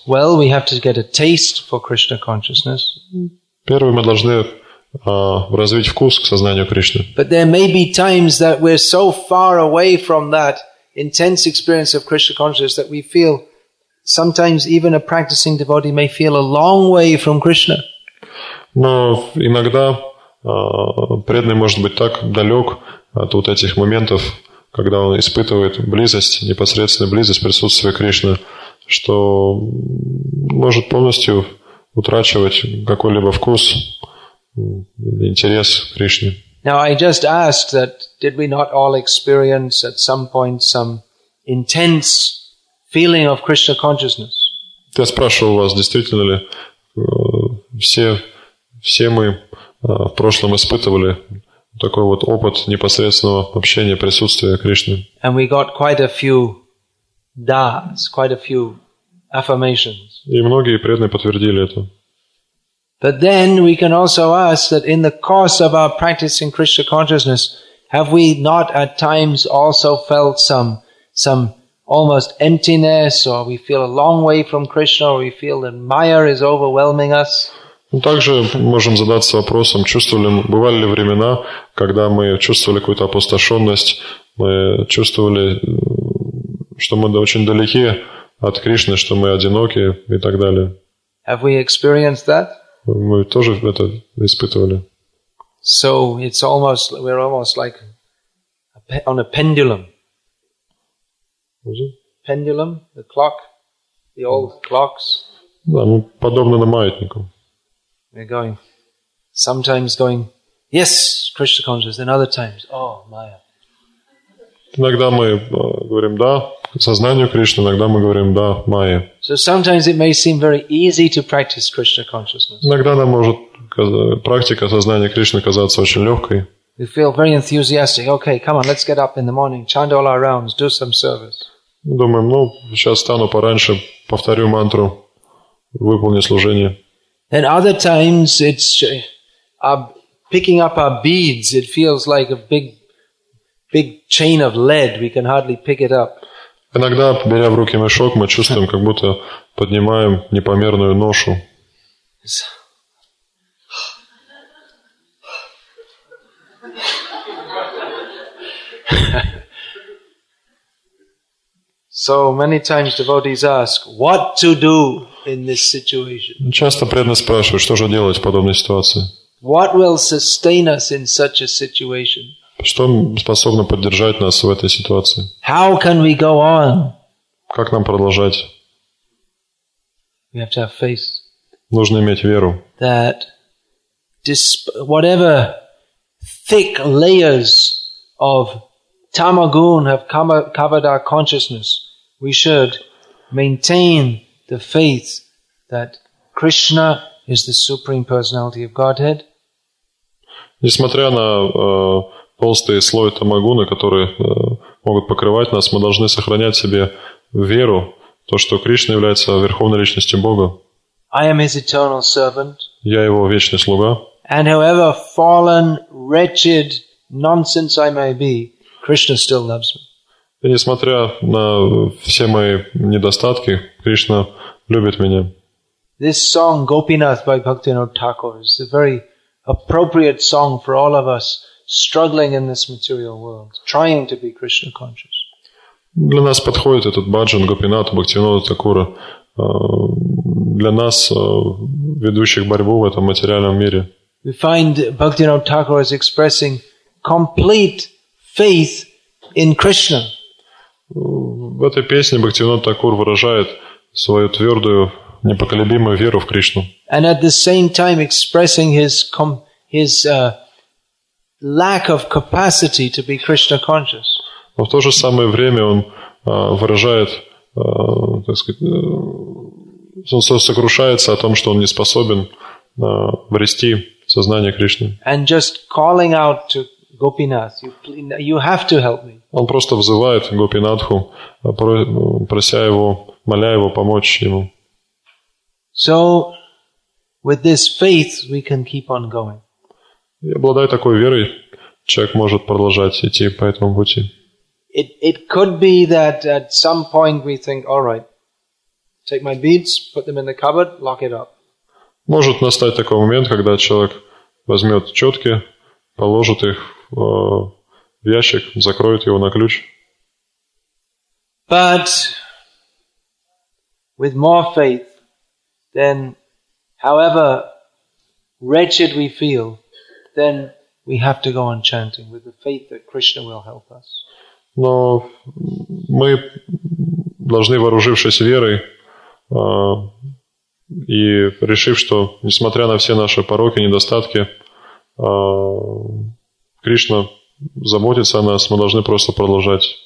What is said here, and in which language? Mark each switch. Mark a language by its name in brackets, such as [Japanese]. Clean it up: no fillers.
[English] Well, we have to get a taste for Krishna consciousness. [Russian] Первое, мы должны развить вкус к сознанию Кришны. [English] But there may be times that we're so far away from that intense experience of Krishna consciousness that we feel sometimes even a practicing devotee may feel a long way from Krishna. [Russian] Но иногда преданный может быть так далек от вот этих моментов, когда он испытывает близость, непосредственную близость присутствия Кришны, что может полностью утрачивать какой-либо вкус, интерес к Кришне. [English] Now I just asked that did we not all experience at some point some intense feeling of Krishna consciousness? [Russian] Я спрашивал вас, действительно ли все мы в прошлом испытывали такой вот опыт непосредственного общения, присутствия Кришны. [English] And we got quite a few das, quite a few affirmations. [Russian] И многие преданные подтвердили это. [English] But then we can also ask that in the course of our practice in Krishna consciousness, have we not at times also felt some almost emptiness, or we feel a long way from Krishna, or we feel that Maya is overwhelming us? [Russian] Также можем задаться вопросом, бывали ли времена, когда мы чувствовали какую-то опустошенность, мы чувствовали, что мы очень далеки от Кришны, что мы одиноки и так далее. [English] Have we experienced that? [Russian] Мы тоже это испытывали. [English] So it's almost, we're almost like on a pendulum. Was it? Pendulum, the clock, the old clocks. [Russian] Да, мы подобны на маятнику. [English] We're going, sometimes going Yes, Krishna consciousness. Then other times, oh, Maya. [Russian] Иногда мы говорим да сознанию Кришны, иногда мы говорим да Майе. [English] So sometimes it may seem very easy to practice Krishna consciousness. [Russian] Иногда нам может практика сознания Кришны казаться очень легкой. [English] We feel very enthusiastic. Okay, come on, let's get up in the morning, chant all our rounds, do some service. [Russian] Думаем, ну сейчас встану пораньше, повторю мантру, выполню служение. [English] And other times it's picking up our beads. It feels like a big chain of lead. We can hardly pick it up. [Russian] Иногда, беря в руки мешок, мы чувствуем, как будто поднимаем непомерную ношу. [English] So many times devotees ask, what to do in this situation? [Russian] Часто преданные спрашивают, что же делать в подобной ситуации? [English] What will sustain us in such a situation? [Russian] Что способно поддержать нас в этой ситуации? [English] How can we go on? [Russian] Как нам продолжать? [English] We have to have faith. [Russian] Нужно иметь веру. [English] That whatever thick layers of tamagun have covered our consciousness, we should maintain the faith that Krishna is the Supreme Personality of Godhead. [Russian] Несмотря на толстый слой тамагуна, который могут покрывать нас, мы должны сохранять в себе веру, то, что Кришна является Верховной Личностью Бога. [English] I am his eternal servant. [Russian] Я его вечный слуга. [English] And however fallen, wretched nonsense I may be, Krishna still loves me. [Russian] И несмотря на все мои недостатки, Кришна любит меня. [English] This song, Gopinath by Bhaktivinoda Thakur, is a very appropriate song for all of us struggling in this material world, trying to be Krishna conscious. [Russian] Для нас подходит этот баджан Гопинат Бхактивинода Такура, для нас, ведущих борьбу в этом материальном мире. [English] We find Bhaktivinoda Thakur is expressing complete faith in Krishna. [Russian] В этой песне Бхактивинода Такур выражает свою твердую, непоколебимую веру в Кришну. [English] And at the same time expressing his lack of capacity to be Krishna conscious. [Russian] Но в то же самое время он выражает, так сказать, он сокрушается о том, что он не способен обрести сознание Кришны. [English] And just calling out to Gopinath, you have to help me. [Russian] Он просто взывает Гопинатху, прося его, моля его помочь ему. [English] So with this faith we can keep on going. [Russian] И обладая такой верой, человек может продолжать идти по этому пути. [English] It could be that at some point we think, all right, take my beads, put them in the cupboard, lock it up. [Russian] Может настать такой момент, когда человек возьмет четки, положит их в ящик, закроет его на ключ. [English] But with more faith, then however wretched we feel, then we have to go on chanting with the faith that Krishna will help us. [Russian] Но мы должны, вооружившись верой, и решив, что несмотря на все наши пороки, недостатки, Кришна заботится о нас, мы должны просто продолжать.